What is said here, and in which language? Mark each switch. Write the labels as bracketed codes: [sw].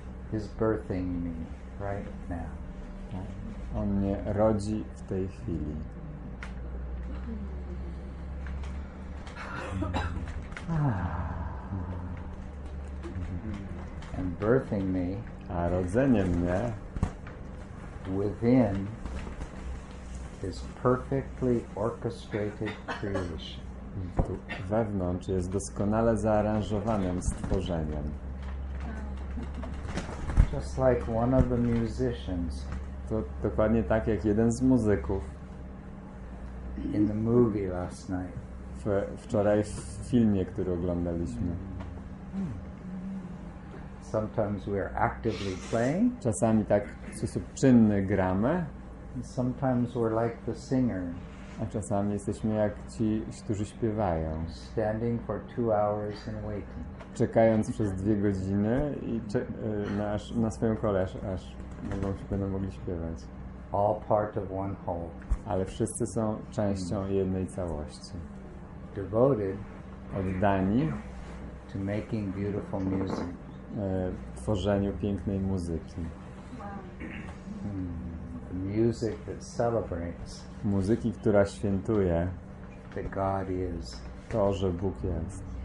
[en] He's birthing me right now. [pl] On mnie rodzi w tej chwili. [en] And birthing me. [pl] A rodzenie mnie. [en] Within is perfectly orchestrated creation. [pl] Tu wewnątrz jest doskonale zaaranżowanym stworzeniem. [en] Just like one of the musicians. [pl] To dokładnie tak jak jeden z muzyków. [en] In the movie last night. [pl] Wczoraj w filmie, który oglądaliśmy. [en] Sometimes we are actively playing. [pl] Czasami tak w sposób czynny gramy. [en] Sometimes we're like the singer. [pl] A czasami jesteśmy jak ci, którzy śpiewają. [en] Standing for 2 hours and waiting. [pl] Czekając przez 2 godziny i na swoją kolej aż mogą się, będą mogli śpiewać. [en] All part of one whole. [pl] Ale wszyscy są częścią jednej całości. [en] Devoted. [pl] Oddani. [en] To making beautiful music. [pl] Tworzeniu pięknej muzyki. [en] The music that celebrates. [pl] Muzyki, która świętuje. [en] That God is. [pl] To, że Bóg jest.